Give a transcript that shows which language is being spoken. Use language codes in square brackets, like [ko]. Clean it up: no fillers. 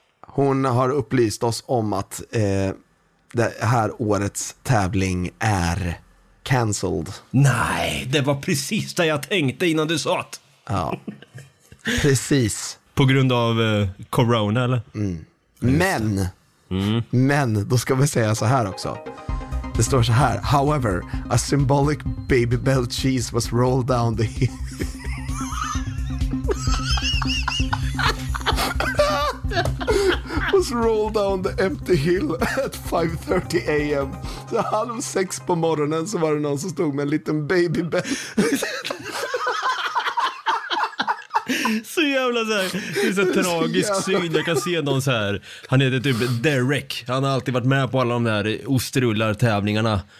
[sv] Hon har upplyst oss om att det här årets tävling är cancelled. Nej, det var precis det jag tänkte innan du sa att... Ja, precis. På grund av corona eller? Mm. Men, då ska vi säga så här också. Det står så här: [en] however, a symbolic baby bell cheese was rolled down the hill. Was rolled down the empty hill at 5:30 a.m. [sv] Så halv sex på morgonen så var det någon som stod med en liten baby bell. Så jävla så här, det är så tragisk syn. Jag kan se någon så här. Han heter typ Derek. Han har alltid varit med på alla de där ostrullartävlingarna.